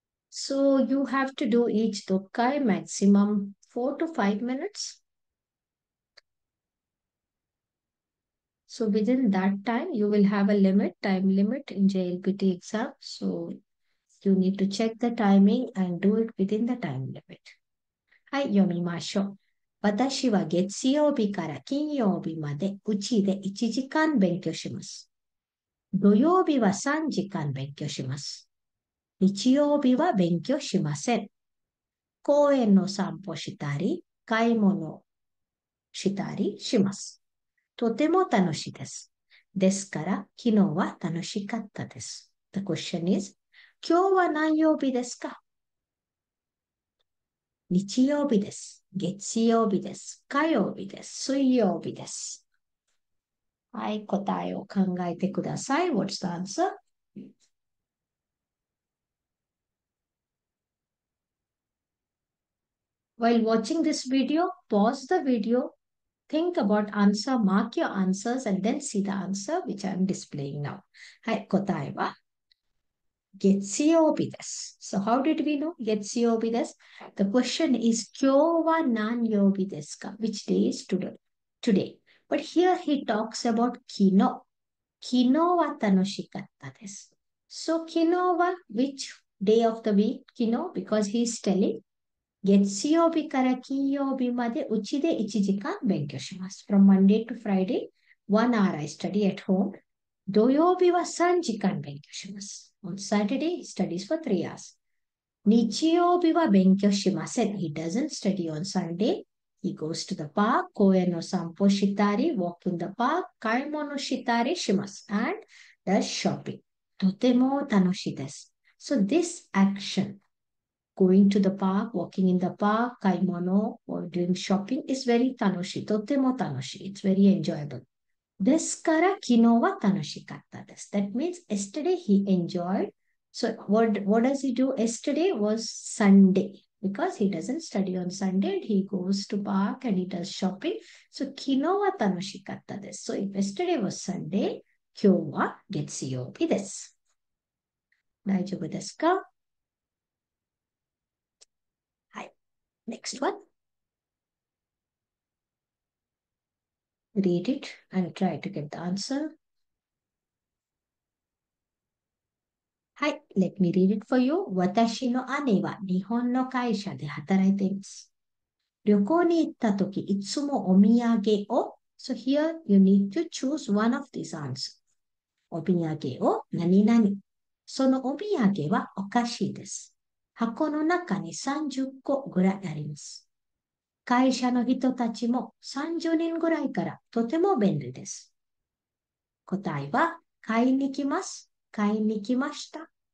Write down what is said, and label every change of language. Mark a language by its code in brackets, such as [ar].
[en] So you have to do each dokkai maximum 4 to 5 minutes. So within that time, you will have a limit, time limit in JLPT exam. So you need to check the timing and do it within the time limit. [ja] はい、読みましょう。私は月曜日から金曜日までうちで1時間勉強します。土曜日は3時間勉強します。日曜日は勉強しません。公園の散歩したり、買い物したりします。とても楽しいです。ですから、昨日は楽しかったです。 [en] The question is, [ja] 今日は何曜日ですか？日曜日です。月曜日です。火曜日です。水曜日です。はい、答えを考えてください。 [en] What's the answer? While watching this video, pause the video. Think about answer, mark your answers and then see the answer which I'm displaying now. [ja] はい、答えは月曜日です。 [en] So how did we know [ja] 月曜日です? [en] The question is [ja] 今日は何曜日ですか? [en] Which day is today? But here he talks about 昨日。 [ja] 昨日は楽しかったです。 [en] So 昨日は which day of the week? 昨日? Because he's telling [ja] 月曜日から金曜日までうちで1時間勉強します。 [en] From Monday to Friday, 1 hour I study at home. [ja] 土曜日は3時間勉強します。 [en] On Saturday, he studies for 3 hours. [ja] 日曜日は勉強しません。 [en] He doesn't study on Sunday. He goes to the park, [ja] 公園の散歩したり、 [en] walk in the park, [ja] 買い物したりします。 [en] And does shopping. [ja] とても楽しいです。 [en] So this action,going to the park, walking in the park, 買い物, or doing shopping is very 楽しい。 [ja] とても楽しい。 [en] It's very enjoyable. [ja] ですから昨日は楽しかったです。 [en] That means yesterday he enjoyed. So what does he do? Yesterday was Sunday. Because he doesn't study on Sunday, he goes to park and he does shopping. [ja] So 昨日は楽しかったです。 [en] So if yesterday was Sunday, [ja] 今日は月曜日です。大丈夫ですか? [en] Next one. Read it and try to get the answer. Hi, let me read it for you. [ja] 私の姉は日本の会社で働いています。旅行に行ったとき、いつもお土産を。 [en] So here you need to choose one of these answers. [ja] お土産を何々。そのお土産はお菓子です。箱の中に30個ぐらいあります。会社の人たちも30人ぐらいからとても便利です。答えは、買いに来ます。買いに来ました。